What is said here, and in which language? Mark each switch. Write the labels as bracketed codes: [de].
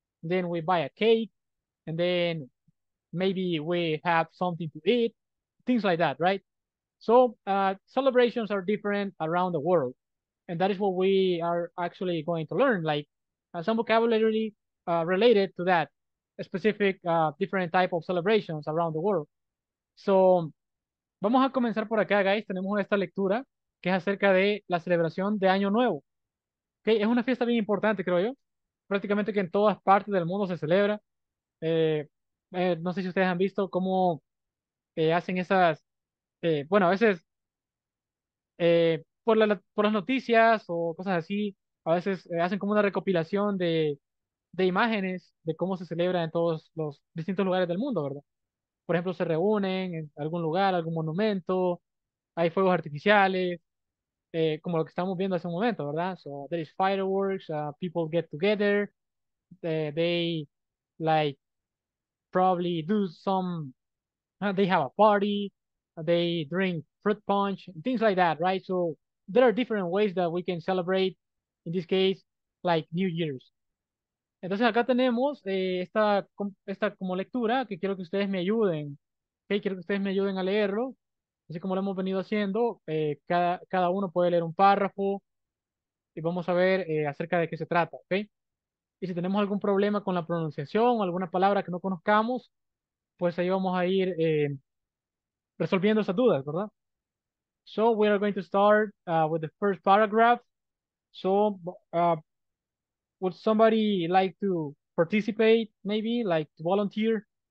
[en] Then we buy a cake. And then maybe we have something to eat, things like that, right? So celebrations are different around the world. And that is what we are actually going to learn, like some vocabulary related to that specific different type of celebrations around the world. [es] So vamos a comenzar por acá, guys. Tenemos esta lectura que es acerca de la celebración de Año Nuevo. Okay, es una fiesta bien importante, creo yo. Prácticamente que en todas partes del mundo se celebra. No sé si ustedes han visto cómo hacen esas... bueno, a veces por las noticias o cosas así, a veces hacen como una recopilación de imágenes de cómo se celebra en todos los distintos lugares del mundo, ¿verdad? Por ejemplo, se reúnen en algún lugar, algún monumento, hay fuegos artificiales, como lo que estamos viendo hace un momento, ¿verdad? [en] So, there is fireworks, people get together, they, like, probably do some, they have a party, they drink fruit punch, things like that, right? So there are different ways that we can celebrate, in this case, like New Year's. [es] Entonces acá tenemos esta como lectura que quiero que ustedes me ayuden. Okay, quiero que ustedes me ayuden a leerlo. Así como lo hemos venido haciendo, cada uno puede leer un párrafo y vamos a ver acerca de qué se trata, okay? Y si tenemos algún problema con la pronunciación o alguna palabra que no conozcamos, pues ahí vamos a ir resolviendo esas dudas, ¿verdad? [en] So we are going to start with the first paragraph. So would somebody like to participate, maybe, like to volunteer?